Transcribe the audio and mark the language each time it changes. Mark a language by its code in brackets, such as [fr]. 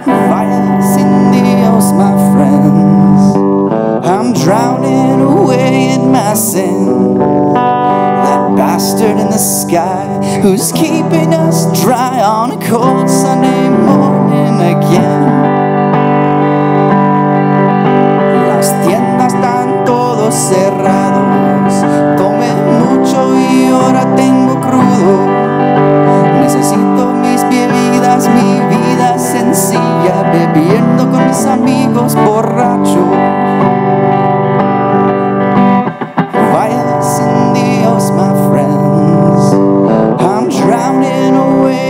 [es] Vaya sin Dios, [en] my friends. I'm drowning away in my sin. That bastard in the sky, who's keeping us dry on a cold Sunday morning again. [es] Las tiendas están todos cerrados. Tomé mucho y ahora tengo crudo. Necesito mis bebidas, mi vida sencilla, bebiendo con mis amigos borracho. Vaya sin Dios, [en] my friends. I'm drowning away.